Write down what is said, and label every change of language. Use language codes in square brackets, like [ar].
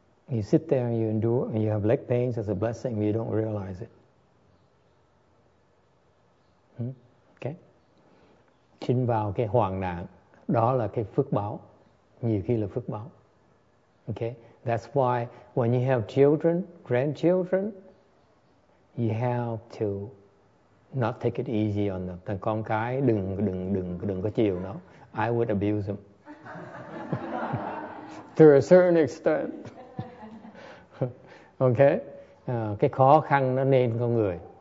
[en] You sit there and you endure and you have leg pains as a blessing, you don't realize it. [vi] Sinh vào cái hoạn nạn, đó là cái phước báo, nhiều khi là phước báo. [en] Okay, that's why when you have children, grandchildren, you have to not take it easy on them. [vi] Thằng con cái đừng có chiều nó. [en] I would abuse them to a certain extent. [vi] Okay, cái khó khăn nó nên con người.